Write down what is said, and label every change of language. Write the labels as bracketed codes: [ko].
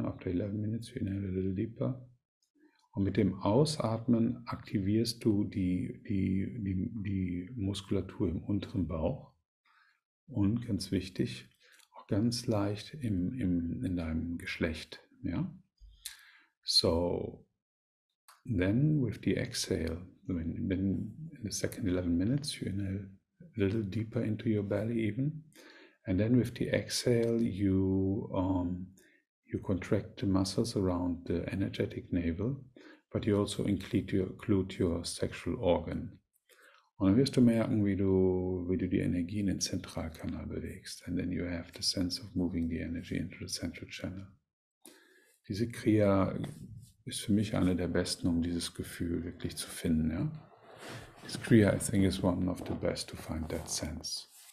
[en] After 11 minutes, you inhale a little deeper. [de] Und mit dem Ausatmen aktivierst du die Muskulatur im unteren Bauch. Und ganz wichtig, auch ganz leicht in deinem Geschlecht. Ja? So. [en] Then with the exhale, then in the second 11 minutes, you inhale a little deeper into your belly even. And then with the exhale, you contract the muscles around the energetic navel, but you also include your sexual organ. [de] Und dann wirst du merken, wie du die Energie in den Zentralkanal bewegst. [en] And then you have the sense of moving the energy into the central channel. [de] Diese Kriya ist für mich eine der besten, um dieses Gefühl wirklich zu finden. Ja? [en] This Kriya, I think, is one of the best to find that sense.